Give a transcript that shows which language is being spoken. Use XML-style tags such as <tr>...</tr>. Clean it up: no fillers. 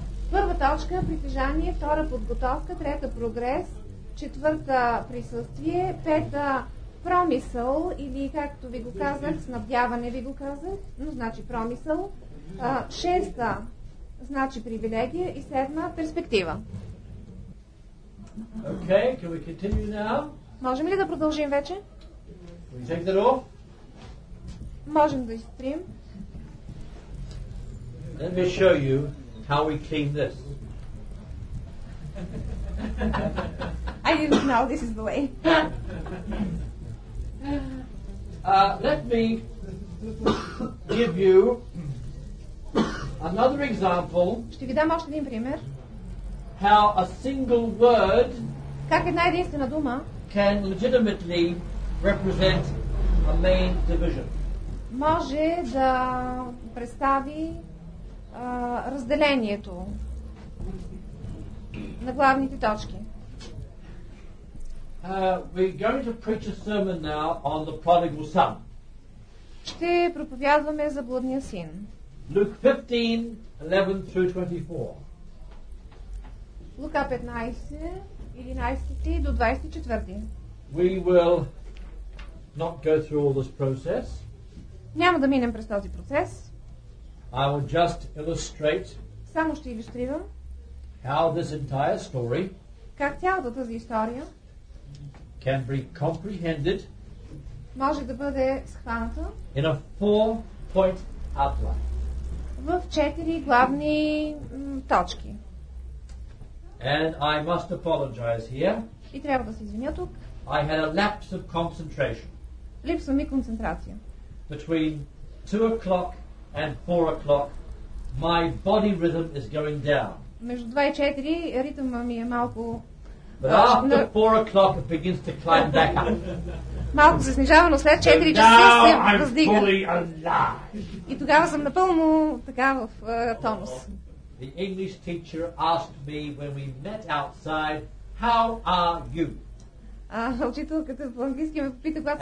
<bg>Първа точка – притежание, втора – подготовка, трета – прогрес, четвърта – присъствие, пета – промисъл, или както ви го казах, снабдяване ви го казах, но значи промисъл, шеста – значи привилегия и седма – перспектива.</bg> <en>Okay, can we continue now?</en> <bg>Можем ли да продължим вече?</bg> <en>We take that off?</en> <bg>Можем да изтрим.</bg> <en>Let me show you how we clean this. I didn't know this is the way. Let me give you another example.</en> <bg>Ще ви дам още един пример.</bg> <en>How a single word</en> <bg>как една единствена дума</bg> <en>can legitimately represent a main division.</en> <bg>Може да представи разделението на главните точки.</bg> <en>We're going to preach a sermon now on the prodigal son.</en> <bg>Ще проповядваме за блудния син.</bg> <en>Luke 15:11-24.</en> <bg>Лука 15:11-24.</bg> <en>We will not go through all this process.</en> <bg>Няма да минем през този процес.</bg> <en>I will just illustrate.</en> <bg>Само ще илюстрирам.</bg> <en>How this entire story?</en> <bg>Как цялата тази история?</bg> <en>Can be comprehended.</en> <bg>Може да бъде схваната.</bg> <en>In a four-point outline.</en> <bg>В четири главни точки.</bg> <en>And I must apologize here.</en> <bg>И трябва да се извиня тук.</bg> <en>I had a lapse of concentration.</en> <bg>Липсва ми концентрация.</bg> <en>Between 2 o'clock and 4 o'clock, my body rhythm is going down.</en> <bg>Между 2 и 4 ритъма ми е малко.</bg> <en>But after 4 o'clock it begins to climb back up.</en> <bg>Малко се снижава, но след 4 часа се въздига.</bg> <en>Fully alive.</en> <bg>И тогава съм напълно така в тонус.</bg> <en>The English teacher asked me when we met outside, how are you?</en> <bg>Учителката по английски ме попита, когато</bg>